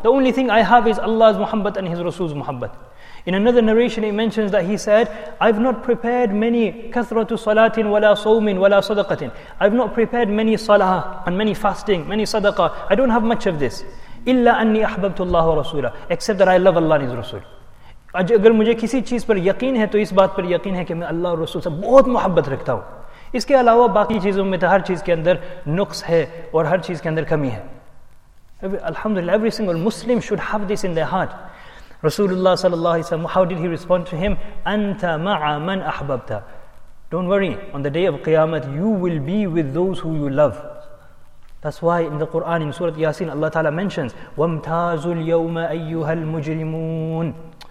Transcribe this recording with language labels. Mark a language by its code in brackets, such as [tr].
[en] The only thing I have is Allah's muhabbat and His Rasul's muhabbat. In another narration, he mentions that he said, I've not prepared many [ar] kathratu salatin wala sawmin wala sadaqatin. [en] I've not prepared many salah and many fasting, many sadaqah. I don't have much of this. [ar] Illa anni ahbabtu Allah wa Rasulah. [en] Except that I love Allah and His Rasul. [ur] اگر مجھے کسی چیز پر یقین ہے تو اس بات پر یقین ہے کہ میں اللہ اور رسول سے بہت محبت رکھتا ہوں. اس کے علاوہ باقی چیزوں میں تو ہر چیز کے اندر نقص ہے اور ہر چیز کے اندر کمی ہے. [en] الحمدللہ, every single Muslim should have this in their heart. Rasulullah sallallahu alaihi wasallam, how did he respond to him? [ar] Anta ma'a man ahbabta. [en] Don't worry, on the day of Qiyamah, you will be with those who you love. That's why in the Quran, in Surah Yasin, Allah Ta'ala mentions, [ar] وَامْتَازُ الْيَوْمَ أَيُّهَا الْمُجْرِمُونَ.